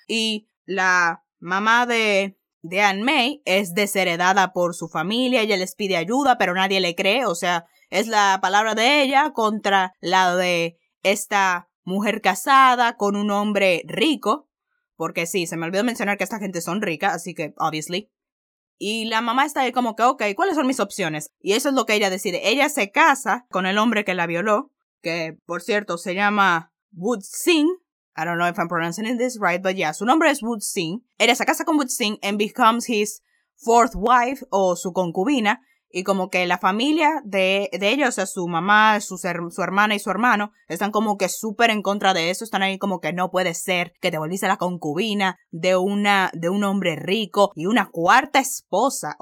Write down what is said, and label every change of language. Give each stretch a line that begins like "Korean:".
Spanish: Y la mamá de An Mei es desheredada por su familia, ella les pide ayuda, pero nadie le cree, o sea, es la palabra de ella contra la de esta mujer casada con un hombre rico, porque sí, se me olvidó mencionar que esta gente son rica, así que, obviously. Y la mamá está ahí como que, ok, ¿cuáles son mis opciones? Y eso es lo que ella decide. Ella se casa con el hombre que la violó, que, por cierto, se llama Wood Sing.
English: I don't know if I'm pronouncing this right, but yeah,
Spanish: su nombre es Wood Sing. Ella se casa con Wood Sing
English: and becomes his fourth wife,
Spanish: o su concubina. Y como que la familia de ellos, o sea, su mamá, su hermana y su hermano, están como que súper en contra de eso. Están ahí como que no puede ser que te volviste la concubina de un hombre rico y una cuarta esposa.